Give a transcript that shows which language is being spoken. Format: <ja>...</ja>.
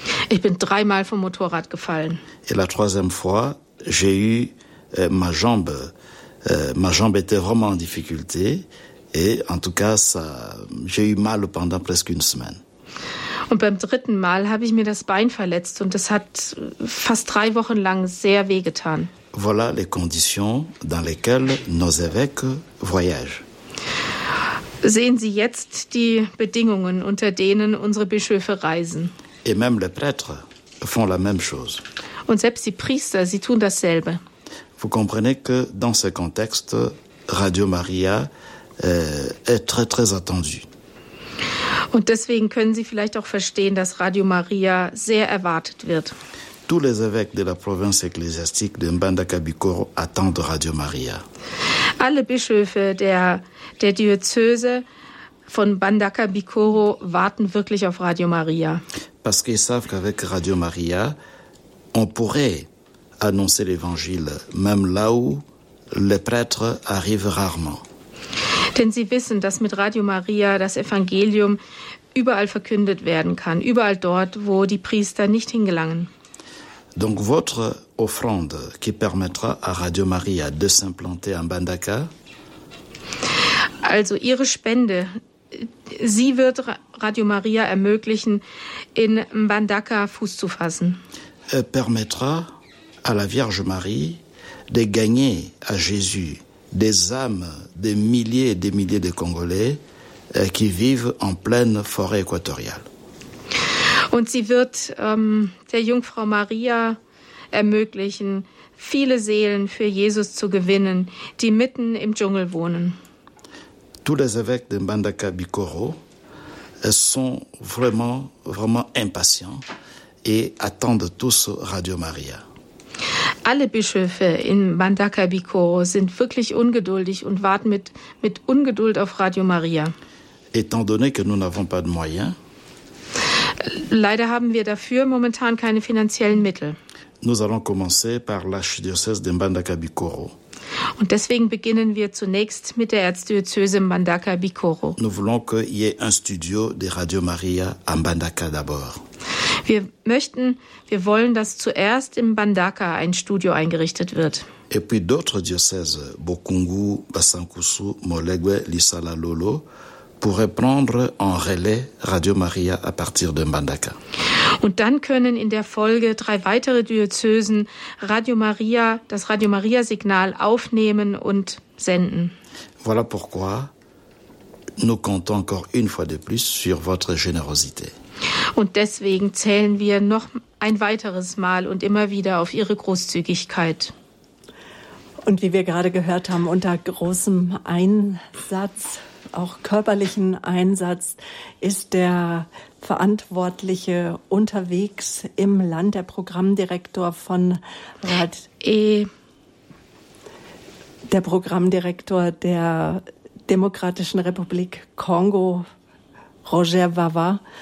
<de>Ich bin 3-mal vom Motorrad gefallen.</de> <fr>Et la troisième fois, j'ai eu ma jambe était vraiment en difficulté et en tout cas ça, j'ai eu mal pendant presque une semaine.</fr> <de>Und beim dritten Mal habe ich mir das Bein verletzt und das hat fast 3 Wochen lang sehr weh getan.</de> <fr>Voilà les conditions dans lesquelles nos évêques voyagent.</fr> <de>Sehen Sie jetzt die Bedingungen, unter denen unsere Bischöfe reisen.</de> <fr>Et même les prêtres font la même chose.</fr> <de>Und selbst die Priester, sie tun dasselbe.</de> <fr>Vous comprenez que dans ce contexte, Radio Maria est très très attendue.</fr> <de>Und deswegen können Sie vielleicht auch verstehen, dass Radio Maria sehr erwartet wird.</de> <fr>Tous les évêques de la province ecclésiastique de Mbandaka-Bikoro attendent Radio Maria.</fr> <de>Alle Bischöfe der Diözese von Mbandaka-Bikoro warten wirklich auf Radio Maria.</de> <fr>Parce qu'ils savent qu'avec Radio Maria, on pourrait annoncer l'évangile, même là où les prêtres arrivent rarement.</fr> <de>Denn sie wissen, dass mit Radio Maria das Evangelium überall verkündet werden kann, überall dort, wo die Priester nicht hingelangen.</de> <fr>Donc votre offrande qui permettra à Radio Maria de s'implanter en Bandaka.</fr> <de>Also ihre Spende, sie wird Radio Maria ermöglichen, in Bandaka Fuß zu fassen.</de> <fr>Permettra à la Vierge Marie de gagner à Jésus des âmes des milliers de Congolais qui vivent en pleine forêt équatoriale.</fr> <de>Und sie wird der Jungfrau Maria ermöglichen, viele Seelen für Jesus zu gewinnen, die mitten im Dschungel wohnen.</de> <fr>Tous les évêques de Mbandaka-Bikoro sont vraiment, vraiment impatients et attendent tous Radio Maria.</fr> <de>Alle Bischöfe in Mbandaka-Bikoro sind wirklich ungeduldig und warten mit Ungeduld auf Radio Maria.</de> <fr>Étant donné que nous n'avons pas de moyens,</fr> <de>leider haben wir dafür momentan keine finanziellen Mittel.</de> <fr>Nous allons commencer par l'archidiocèse de Mbandaka-Bikoro.</fr> <de>Und deswegen beginnen wir zunächst mit der Erzdiözese Mbandaka-Bikoro.</de> <fr>Nous voulons qu'il y ait un studio de Radio Maria à Mbandaka d'abord.</fr> <de>Wir wollen, dass zuerst in Mbandaka ein Studio eingerichtet wird.</de> <fr>Et puis d'autres diocèses, Bokungu, Bassankusu, Molegwe, Lissala, Lolo, pourrait prendre en relais Radio Maria à partir de Mbandaka.</fr> <de>Und dann können in der Folge 3 weitere Diözesen Radio Maria, das Radio Maria Signal aufnehmen und senden.</de> <fr>Voilà pourquoi nous comptons encore une fois de plus sur votre générosité.</fr> <de>Und deswegen zählen wir noch ein weiteres Mal und immer wieder auf Ihre Großzügigkeit. Und wie wir gerade gehört haben, unter großem Einsatz, auch körperlichen Einsatz, ist der Verantwortliche unterwegs im Land, der Programmdirektor von der Programmdirektor der Demokratischen Republik Kongo, Roger Vava.</de>